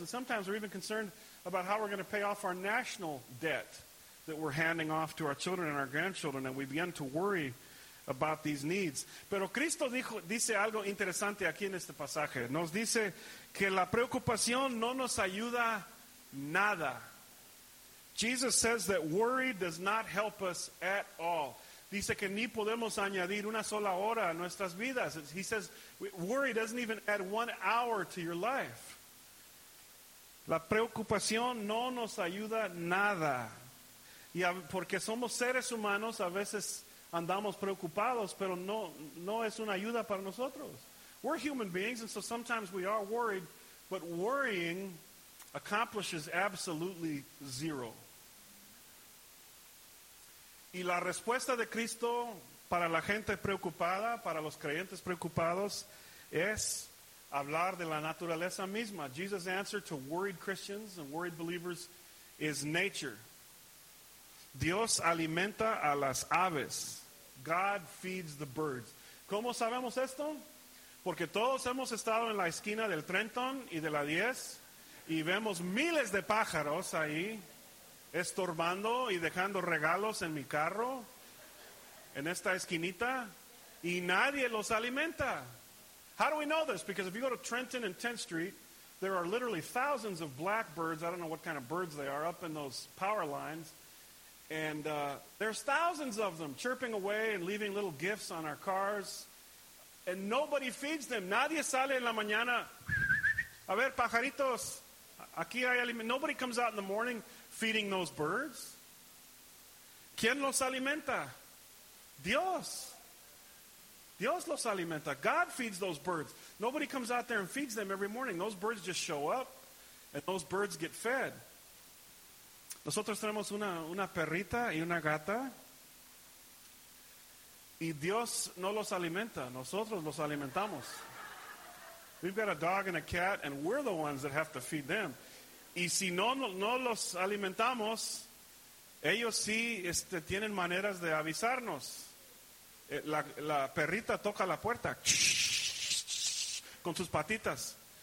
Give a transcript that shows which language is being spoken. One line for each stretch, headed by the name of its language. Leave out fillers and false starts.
English: And sometimes we're even concerned about how we're going to pay off our national debt that we're handing off to our children and our grandchildren. And we begin to worry about these needs.
Spanish: Pero Cristo dice algo interesante aquí en este pasaje. Nos dice que la preocupación no nos ayuda nada.
English: Jesus says that worry does not help us at all.
Spanish: Dice que ni podemos añadir una sola hora a nuestras vidas.
English: He says, worry doesn't even add 1 hour to your life.
Spanish: La preocupación no nos ayuda nada. Y porque somos seres humanos, a veces andamos preocupados, pero no es una ayuda para nosotros.
English: We're human beings, and so sometimes we are worried, but worrying accomplishes absolutely zero.
Spanish: Y la respuesta de Cristo para la gente preocupada, para los creyentes preocupados, es hablar de la naturaleza misma.
English: Jesus' answer to worried Christians and worried believers is nature.
Spanish: Dios alimenta a las aves.
English: God feeds the birds.
Spanish: ¿Cómo sabemos esto? Porque todos hemos estado en la esquina del Trenton y de la 10 y vemos miles de pájaros ahí estorbando y dejando regalos en mi carro, en esta esquinita, y nadie los alimenta.
English: How do we know this? Because if you go to Trenton and 10th Street, there are literally thousands of blackbirds, I don't know what kind of birds they are, up in those power lines, and there's thousands of them chirping away and leaving little gifts on our cars, and nobody feeds them.
Spanish: Nadie sale en la mañana. A ver, pajaritos, aquí hay alimento.
English: Nobody comes out in the morning feeding those birds.
Spanish: ¿Quién los alimenta? Dios. Dios los alimenta.
English: God feeds those birds. Nobody comes out there and feeds them every morning. Those birds just show up, and those birds get fed.
Spanish: Nosotros tenemos una perrita y una gata, y Dios no los alimenta. Nosotros los alimentamos.
English: We've got a dog and a cat, and we're the ones that have to feed them.
Spanish: Y si no los alimentamos, ellos sí tienen maneras de avisarnos. La perrita toca la puerta con sus patitas.